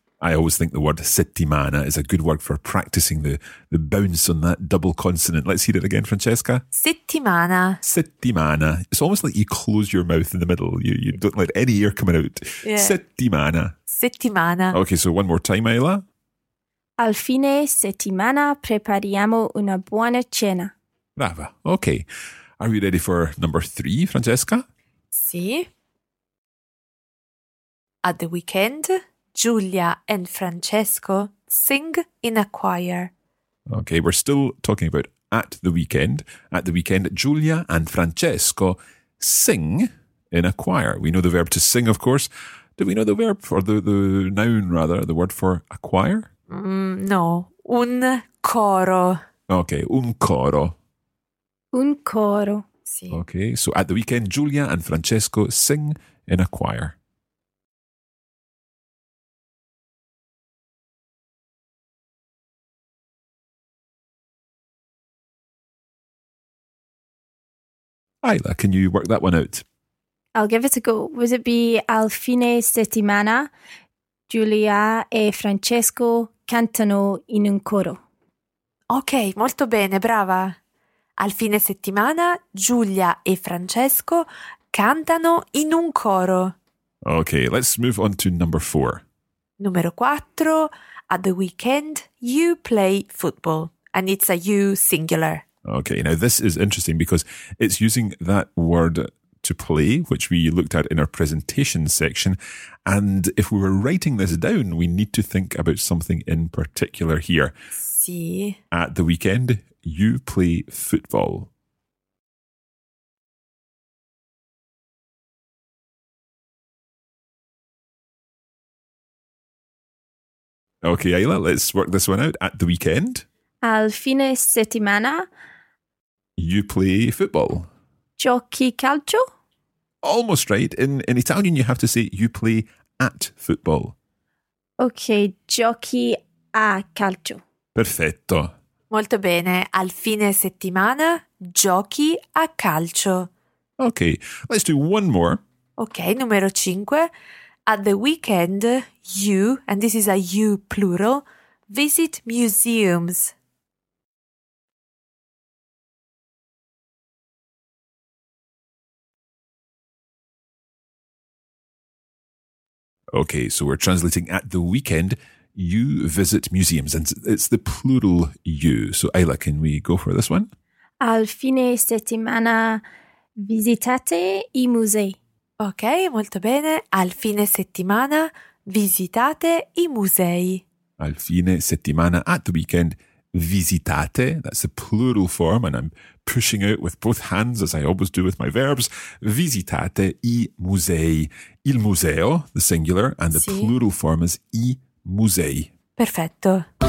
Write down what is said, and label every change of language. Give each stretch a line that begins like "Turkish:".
English: I always think the word settimana is a good word for practicing the bounce on that double consonant. Let's hear it again, Francesca.
Italian: Settimana. Settimana.
English: It's almost like you close your mouth in the middle. You don't let any air coming out.
Italian: Yeah. Settimana. Settimana.
English: Okay, so one more time, Ayla.
Italian: Al fine settimana prepariamo una buona cena. Brava.
English: Okay. Are we ready for number three, Francesca?
Italian: Sì.
English: At the weekend, Giulia and Francesco sing in a choir. Okay, we're still talking about at the weekend. At the weekend, Giulia and Francesco sing in a choir. We know the verb to sing, of course. Do we know the verb, or the noun rather, the word for a choir?
Italian: No, un coro. Okay, un coro. Un coro, sì.
English: Okay, so at the weekend, Giulia and Francesco sing in a choir. Isla, can you work that one out? I'll give it a go. Would it be
Italian: Al fine settimana, Giulia e Francesco cantano in un coro? Ok, molto bene, brava. Al fine settimana, Giulia e Francesco cantano in un coro.
English: Ok, let's move on to number four.
Italian: Numero quattro,
English: at the weekend, you play football. And it's a you singular. Ok, now this is interesting because it's using that word to play, which we looked at in our presentation section. And if we were writing this down, we need to think about something in particular here. See? At the weekend, you play football. Okay, Ayla, let's work this one out. At the weekend.
Italian: Al fine settimana.
English: You play football.
Italian: Giochi calcio.
English: Almost right. In Italian, you have to say you play at football.
Italian: Okay, giochi a calcio. Perfetto. Molto bene. Al fine settimana, giochi a calcio.
English: Okay, let's do one more.
Italian: Okay, numero cinque.
English: At the weekend, you, and this is a you plural, visit museums. Okay, so we're translating at the weekend, you visit museums, and it's the plural you. So Ayla, can we go for this one?
Italian: Al fine settimana visitate i musei. Ok, molto bene. Al fine settimana visitate i musei. Al fine settimana,
English: at the weekend,
Italian: visitate.
English: That's the plural form and I'm pushing out with both hands as I always do with my verbs.
Italian: Visitate i musei. Il museo,
English: the singular, and the plural form is
Italian: i musei. Perfetto.